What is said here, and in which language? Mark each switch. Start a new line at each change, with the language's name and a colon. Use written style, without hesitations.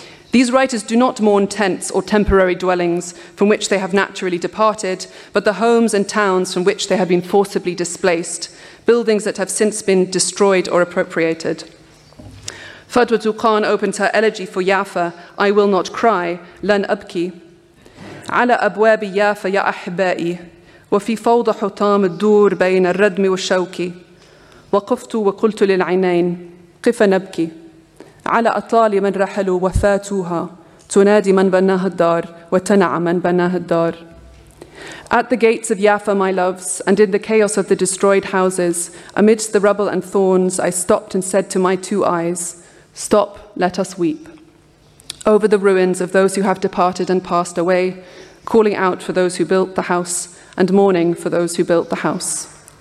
English: These writers do not mourn tents or temporary dwellings from which they have naturally departed, but the homes and towns from which they have been forcibly displaced, buildings that have since been destroyed or appropriated. Fadwa Tuqan opens her elegy for Yafa, I will not cry, lan abki.
Arabic: على أبواب يافا يا أحبائي وفي فوضى حطام الدور بين الردم والشوكي وقفت وقلت للعينين قف نبكي على أطال من رحلوا وفاتوها تنادي من بناها الدار وتنع من بناها الدار.
English: At the gates of Yafa, my loves, and in the chaos of the destroyed houses, amidst the rubble and thorns, I stopped and said to my two eyes, stop, let us weep. Over the ruins of those who have departed and passed away, calling out for those who built the house and mourning for those who built the house.